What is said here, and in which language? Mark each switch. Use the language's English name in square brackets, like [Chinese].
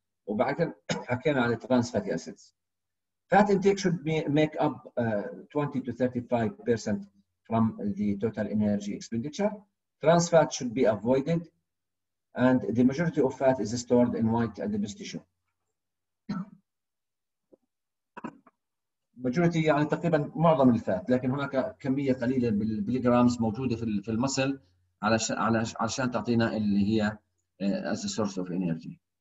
[Arabic] وبعد كده حكينا عن [English] trans fatty acids. Fat intake should make up 20 to 35% from the total energy expenditure. Trans fat should be avoided, and the majority of fat is stored in white adipose tissue. [Arabic] Majority يعني تقريبا معظم الفات، لكن هناك كمية قليلة بالبليغرامز موجودة في المسل علشان تعطينا اللي هي [English] as a source of energy.